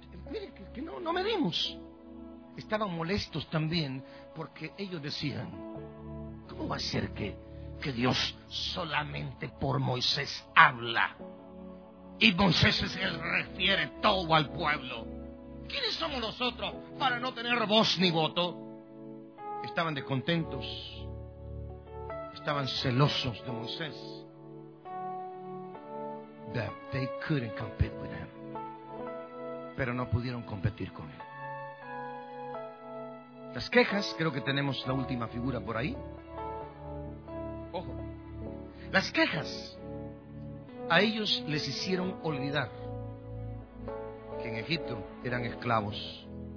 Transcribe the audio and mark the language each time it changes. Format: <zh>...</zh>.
<es>Mire, que no medimos. Estaban molestos también porque ellos decían, ¿cómo va a ser que Dios solamente por Moisés habla? Y Moisés es el que refiere todo al pueblo. ¿Quiénes somos nosotros para no tener voz ni voto? Estaban descontentos. Estaban celosos de Moisés.</es> <en>That they couldn't compete with him.</en> <es>Pero no pudieron competir con él. Las quejas, creo que tenemos la última figura por ahí. Ojo. Las quejas a ellos les hicieron olvidar que en Egipto eran esclavos.</es>